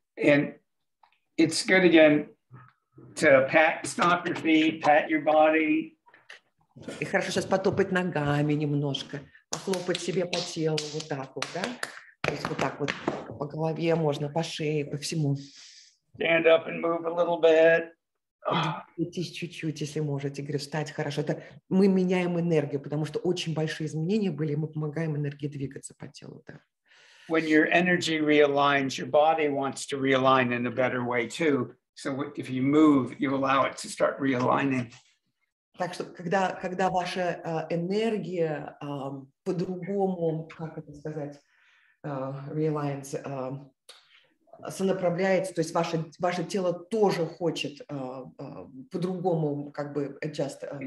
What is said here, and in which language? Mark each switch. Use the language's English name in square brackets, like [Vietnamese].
[English] And it's good again to pat, stomp your feet, pat your body. [Russian] И хорошо сейчас потопать ногами немножко, похлопать себе по телу вот так вот, да? То есть вот так вот по голове можно, по шее, по всему. [English] Stand up and move a little bit. [Russian] Двигайтесь чуть-чуть, если можете, говорю, встать хорошо. Это мы меняем энергию, потому что очень большие изменения были, мы помогаем энергии двигаться по телу, да? [English] When your energy realigns, your body wants to realign in a better way too. So if you move, you allow it to start realigning. [Russian] Так что когда ваша энергия по-другому, как это сказать, realigns, сонаправляется, то есть ваше тело тоже хочет по-другому как бы adjust.